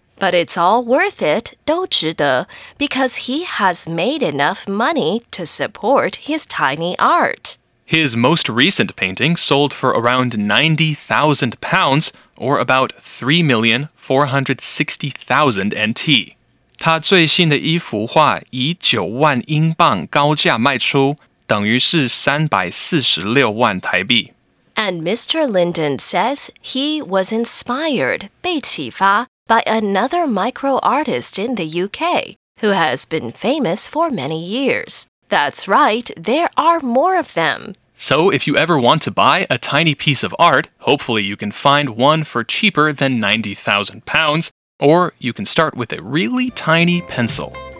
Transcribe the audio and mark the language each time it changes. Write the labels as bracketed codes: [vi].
[en] But it's all worth it, [zh] 都值得, [en] because he has made enough money to support his tiny art. His most recent painting sold for around £90,000, or about 3,460,000 NT. [zh] 他最新的一幅画以9万英镑高价卖出,等于是346万台币。 [en] And Mr. Lindon says he was inspired, 被启发, by another micro artist in the UK, who has been famous for many years. That's right, there are more of them. So if you ever want to buy a tiny piece of art, hopefully you can find one for cheaper than 90,000 pounds, or you can start with a really tiny pencil.